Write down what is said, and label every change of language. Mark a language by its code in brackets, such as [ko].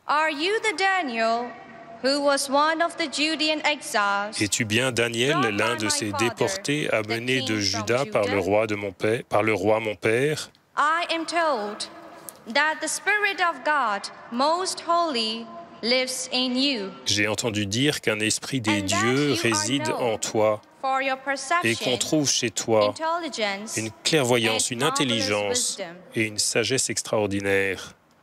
[en] Are you the Daniel who was one of the Judean exiles? [fr] Es-tu bien Daniel, l'un de ces déportés amenés de Juda par le roi de mon père, [en] I am told that the Spirit of God, most holy, lives in you. [fr] J'ai entendu dire qu'un esprit des dieux réside en toi. Et qu'on trouve chez toi une clairvoyance, une intelligence et une sagesse extraordinaire.